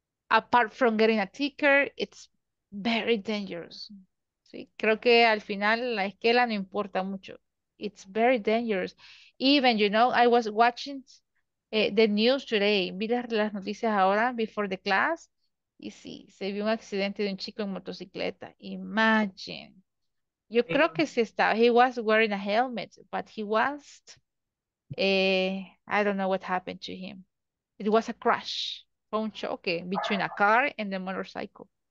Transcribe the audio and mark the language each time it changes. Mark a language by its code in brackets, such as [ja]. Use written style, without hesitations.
[en] Apart from getting a ticket, it's very dangerous. [es] Sí, creo que al final la esquela no importa mucho. [en] It's very dangerous. Even, you know, I was watching the news today. [es] Vi las noticias ahora, [en] before the class. [es] Y sí, se vio un accidente de un chico en motocicleta. [en] Imagine. [es] Yo creo que sí estaba. [en] He was wearing a helmet, but he was, I don't know what happened to him. It was a crash. [es] Un choque [en] between a car and the motorcycle.